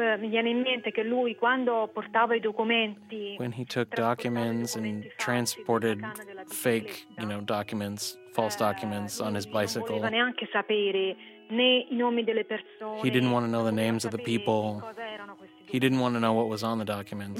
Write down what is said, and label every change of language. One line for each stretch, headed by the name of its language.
Italian: Mi viene in mente che lui, quando portava I documenti,
English: when he took documents and transported fake, you know, documents, false documents on his bicycle,
Italian: non voleva neanche sapere né I nomi delle persone,
English: he didn't want to know the names of the people. He didn't want to know what was on the documents.